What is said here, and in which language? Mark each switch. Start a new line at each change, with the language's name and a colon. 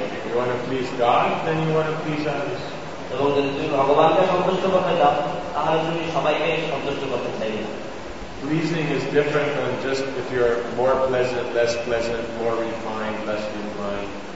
English: You want to please God, then you want to please others.
Bangla: এবং যদি তুমি ভগবানকে সন্তুষ্ট করতে চাও তাহলে তুমি সবাইকে সন্তুষ্ট করতে চাই।
English: Pleasing is different than just if you're more pleasant, less pleasant, more refined, less refined.